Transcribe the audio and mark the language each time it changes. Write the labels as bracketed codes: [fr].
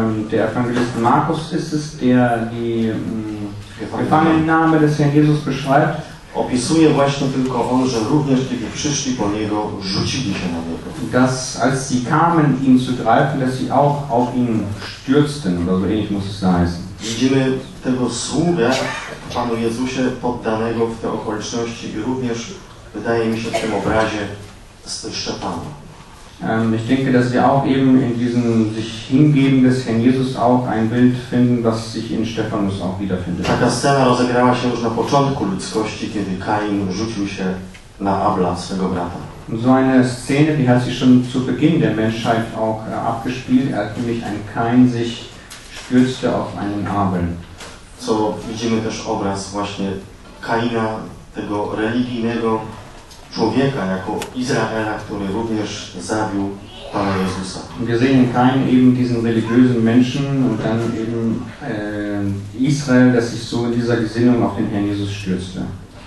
[de] der Evangelist Markus ist es, der die Gefangennahme des Herrn Jesus beschreibt, [pl] opisuje właśnie tylko on, że również kiedy przyszli po niego, rzucili się na niego. [de] Dass als sie kamen, ihn zu greifen, dass sie auch auf ihn stürzten, oder so ähnlich muss es heißen. [pl] Widzimy tego sługę Panu Jezusie poddanego w te okoliczności i również, wydaje mi się, w tym obrazie z Szczepanem. [de] Ich denke, dass wir auch eben in diesem sich hingeben des Herrn Jesus auch ein Bild finden, was sich in Stephanus auch wiederfindet. [pl] Taka scena rozegrała się już na początku ludzkości, kiedy Kain rzucił się na Abla, swego brata. [de] So eine Szene, die hat sich schon zu Beginn der Menschheit auch abgespielt, als nämlich ein Kain sich stürzte auf einen Abel. [pl] So widzimy też obraz właśnie Kaina, tego religijnego człowieka jako Izraela, który również zabił Pana Jezusa. [de] Wir sehen Kain eben diesen religiösen Menschen und dann eben Israel, das sich so in dieser Gesinnung auf den Herrn Jesus stürzte.